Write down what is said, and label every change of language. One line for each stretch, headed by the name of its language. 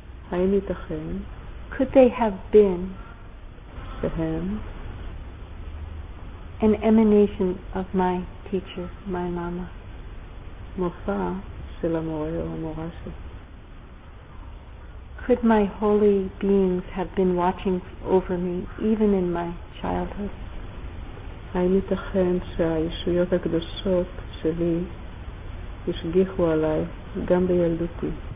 Hebrew: האם ייתכן?
English: Could they have been?
Hebrew: שהם?
English: An emanation of my teacher, my mama.
Hebrew: מופע של המורה או המורה שלי.
English: Could my holy beings have been watching over me even in my childhood?
Hebrew: האם ייתכן שהישויות הקדושות שלי ישגיחו עליי גם בילדותי.